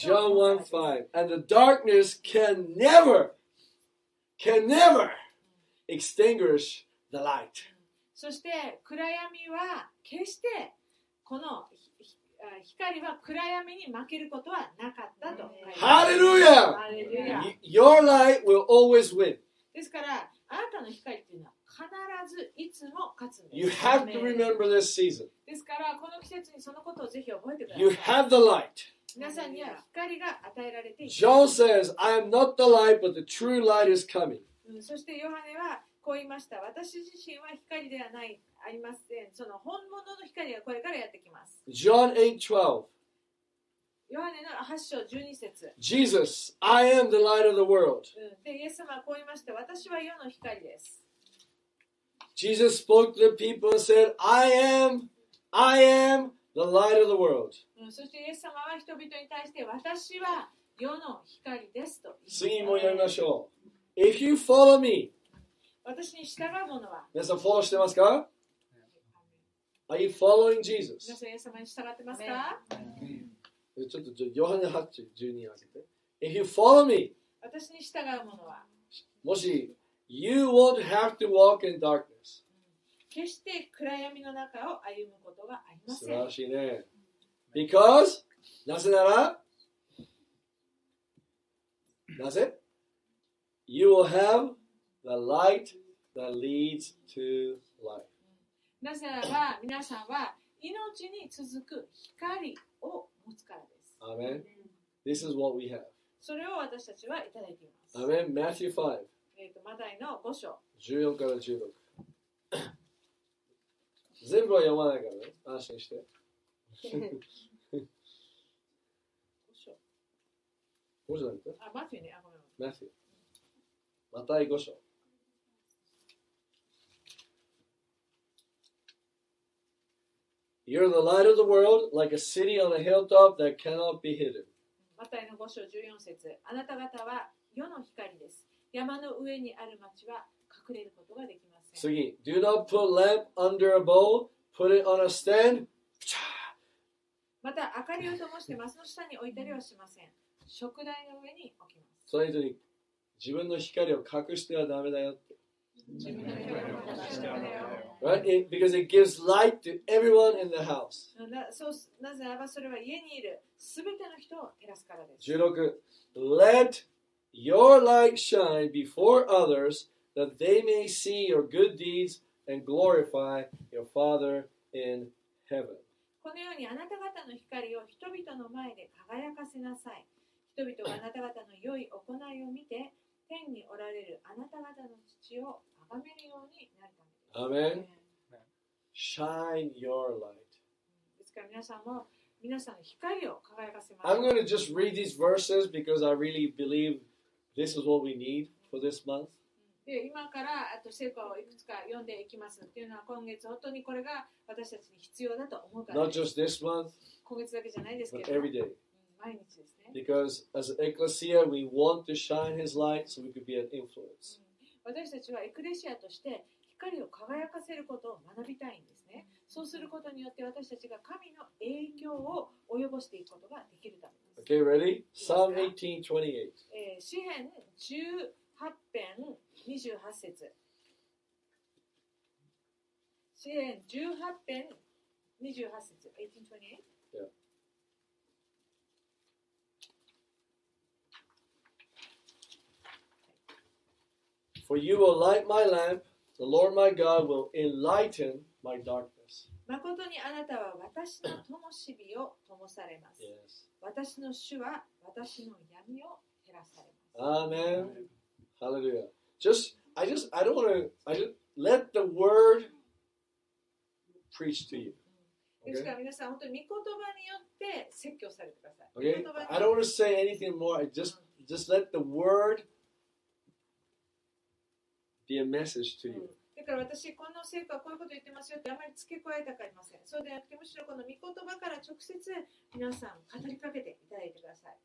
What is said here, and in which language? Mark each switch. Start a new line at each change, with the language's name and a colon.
English: John 1:5 And the darkness can never extinguish the light.
Japanese: そして暗闇は決してこの光は暗闇に負けることはなかったと。
English: Hallelujah! Your light will always win.
Japanese: ですからあなたの光というのは必ずいつも勝つんです。
English: You have to remember this season.
Japanese: ですからこの季節にそのことをぜひ覚えてください。
English: You have the light.
Japanese: 皆さんには光が与えられています。
English: John says, I am not the light, but the true light is coming.
Japanese: そしてヨハネはこう言いました。私自身は光ではない、ありません。その本物の光がこれからやってきます。
English: John 8:12.
Japanese: ヨハネの8章12節。
English: Jesus, I am the light of the world.
Japanese: で、イエス様はこう言いました。私は世の光です。
English: Jesus spoke to the people and said, I am the light of the world.
Japanese: そしてイエス様は人々に対して私は世の光ですと。次も読みましょう。
English: If you follow me,
Japanese: 私に従う者は、皆さんフォローしてますか？
English: Are you following Jesus?
Japanese: 皆さんイエス様に従ってますか？ちょっとヨハネ8、12を開けて。
English: If you follow me,
Japanese: 私に従う者は、
English: もし、You won't have to walk in darkness.
Japanese: 決して暗闇の中を歩むことはありません。素晴らしいね。Because? なぜなら？なぜ？
English: You will have the light that leads to life.
Japanese: なぜならば、皆さんは命に続く光を持つからです。
English: Amen. This is what we have.
Japanese: それを私たちはいただいています。
English: Amen. Matthew 5.
Japanese: マダイの 5章14から16 全部は読まないからね、安心して5章だっけ？あ、マティね、マティ、マタイ5章
English: You're the light of the world, like a city on a hilltop that cannot be hidden.
Japanese: マタイの5章14節、あなた方は世の光です。山の上にある町は隠れることができません。
English: 次、Do not put lamp under a bowl, put it on a stand.
Japanese: また、明かりを灯してマスの下に置いたりはしません。食台の上に置きます。それぞれ自分の光を隠してはダメだよって。自分の光を隠してはダメだよ。Right?
English: Because it gives light to everyone in the house.
Japanese: なぜならばそれは家にいるすべての人を照らすからです。
English: 16、Let Your light shine before others that they may see your good deeds and glorify your Father in heaven.
Japanese: このようにあなた方の光を人々の前で輝かせなさい。人々があなた方の良い行いを見て、天におられるあなた方の父を崇めるようになるためです。
English: Amen. Shine your light.
Japanese: ですから皆さんも皆さんの光を輝かせ
English: ます。I'm going to just read these verses because I really believe. This is what we need for this month.
Japanese: で、今からあと聖句をいくつか読んでいきますっていうのは今月本当にこれが私たちに必要だと思うからです。
English: Not just this month.
Japanese: 今月だけじゃないですけど。
English: But every day.
Japanese: 毎日ですね。
English: Because as an ecclesia, we want to shine His light so we could be an influence.
Japanese: 私たちはエクレシアとして光を輝かせることを学びたいんですね。そうすることによって私たちが神の影響を及ぼしていくことができるためです。
English: Okay, ready? Psalm 18:28.
Japanese: 詩編18編28節。詩編18編28節。
English: 18:28. For you will light my lamp, the Lord my God will enlighten my darkness.
Japanese: まことにあなたは私の灯火を灯されます。
English: Yes.
Japanese: 私の主は私の闇を照らされます。アーメン。ハレルヤ。
English: I just let the word preach to you.
Japanese: ですから皆さん、本当に御言葉によって説教されてください。
English: Okay? I don't want to say anything more. I just let the word be a message to you.
Japanese: だから私、この聖句はこういうこと言ってますよってあまり付け加えたくありません。そうでなくて、むしろこの御言葉から直接皆さん語りかけていただいてください。